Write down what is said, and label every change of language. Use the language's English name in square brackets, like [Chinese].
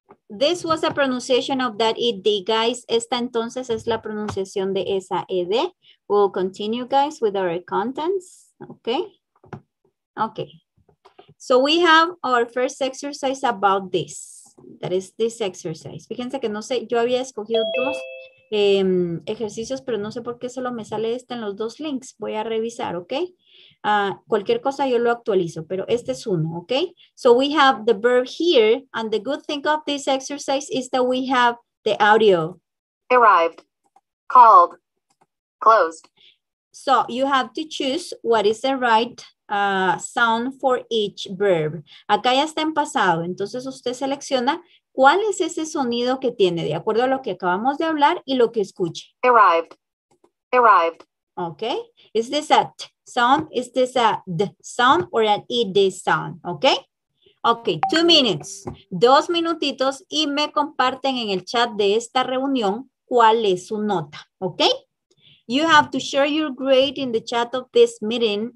[English] This was a pronunciation of that ED, guys. [Spanish] Esta entonces es la pronunciación de esa ED. [English] We'll continue, guys, with our contents. Okay. Okay. So we have our first exercise about this. That is this exercise. [Spanish] Fíjense que no sé, yo había escogido dos ejercicios, pero no sé por qué solo me sale este en los dos links. Voy a revisar, okay. Cualquier cosa yo lo actualizo, pero este es uno, okay? [English] So we have the verb here, and the good thing of this exercise is that we have the audio. Arrived, called, closed. So you have to choose what is the right sound for each verb. [Spanish] Acá ya está en pasado, entonces usted selecciona cuál es ese sonido que tiene de acuerdo a lo que acabamos de hablar y lo que escuche. [English] Arrived. Arrived. Okay. Is this a t sound? Is this a d sound or an ed sound? Okay. Okay, 2 minutes. [Spanish] 2 minutitos y me comparten en el chat de esta reunión cuál es su nota. [English] Okay. You have to share your grade in the chat of this meeting.